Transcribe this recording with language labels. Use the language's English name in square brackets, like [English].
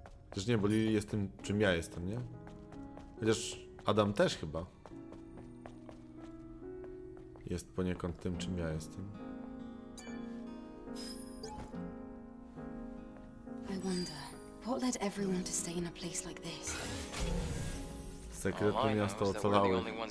[Polish] Też nie, bo Lily jest tym, czym ja jestem, nie? Chociaż Adam też chyba. Jest poniekąd tym, czym ja jestem. [English] I wonder, what led everyone to stay in a place like this? [Polish] Sekretne miasto ocalało.